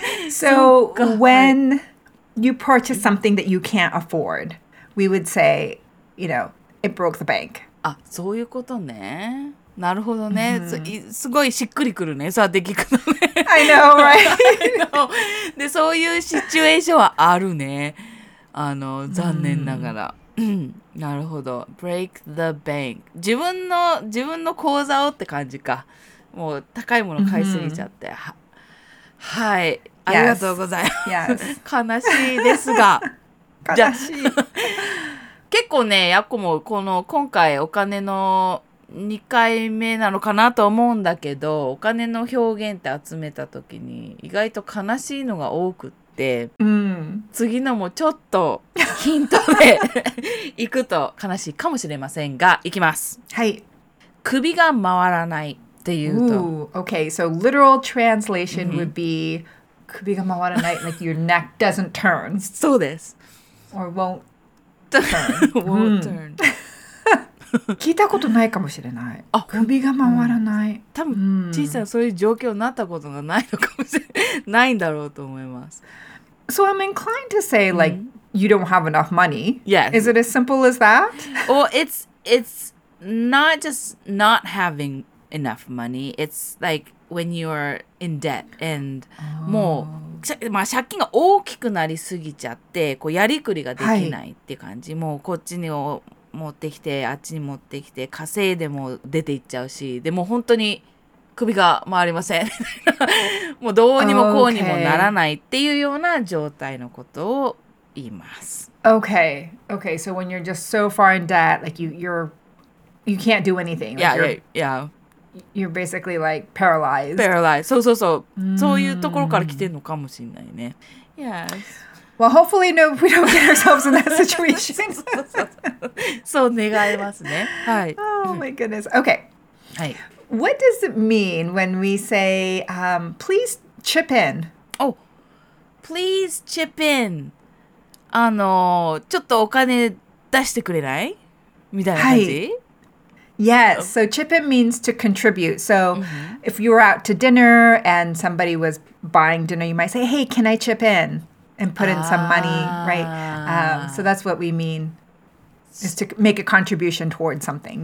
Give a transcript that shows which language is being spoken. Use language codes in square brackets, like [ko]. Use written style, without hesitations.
[en] So when you purchase something that you can't afford, we would say, you know, it broke the bank. [ja] あ、そういうことね。なるほどね、mm-hmm. すごいしっくりくるね、そうやって聞くのね。 [en] I know, right? I know. [ja] で、そういうシチュエーションはあるね。あの、残念ながら。Mm-hmm. なるほど。 [en] Break the bank. [ja] 自分の口座をって感じか。もう高いもの買いすぎちゃって。 Mm-hmm. はい。ありがとうございます。 [en] Yes. [ja] 悲しいですが。悲しい。結構ね、やっこもこの今回お金の2回目なのかなと思うんだけど、お金の表現って集めた時に意外と悲しいのが多くって、うん、次のもちょっとヒントでいくと悲しいかもしれませんが、いきます。はい。首が回らないっていうと。 [en] Okay, so literal translation would be [ja] 首が回らない、 [en] like your neck doesn't turn. [ja] そうです。 [en] Or won't turn. won't turn. [ja] 聞いたことないかもしれない。あ、首が回らない、うん、多分小さなそういう状況になったことがないのかもしれないんだろうと思います。 [en] So I'm inclined to say like、うん、you don't have enough money. Yes. Is it as simple as that? Well, it's not just not having enough money. It's like when you're in debt and、oh. [ja] もう、まあ、借金が大きくなりすぎちゃってこうやりくりができないっていう感じ、はい、もうこっちに持ってきてあっちに持ってきて稼いでも出ていっちゃうし、でも本当に首が回りませんもうどうにもこうにもならないっていうような状態のことを言います。 [en] Okay, okay, so when you're just so far in debt, like you can't do anything, like you're basically like paralyzed. [ja] Paralyzed, そうそうそう、そういうところから来てるのかもしれないね。Yes. [en] Well, hopefully, no, we don't get ourselves in that situation. [ja] そう願いますね。はい。 [en] Oh, my goodness. Okay. [ja] はい。 [en] What does it mean when we say, please chip in? Oh, please chip in. [ja] ちょっとお金出してくれない？みたいな感じ？はい。 [en] Yes, so chip in means to contribute. So、mm-hmm. if you were out to dinner and somebody was buying dinner, you might say, hey, can I chip in? And put in some money, right? So that's what we mean, is to make a contribution towards something.